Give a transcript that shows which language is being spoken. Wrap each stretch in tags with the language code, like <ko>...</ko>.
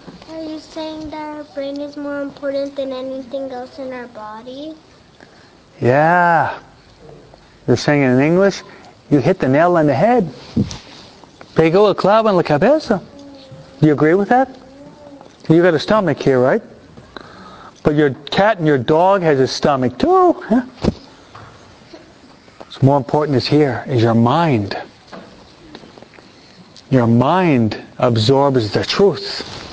<en>Are you saying that our brain is more important than anything else in our body? Yeah. You're saying it in English, you hit the nail on the head.</en> <es>Pegó el clavo en la cabeza.</es> <en>Do you agree with that? You got a stomach here, right? But your cat and your dog has a stomach too, huh? What's more important is here, is your mind. Your mind absorbs the truth.</en>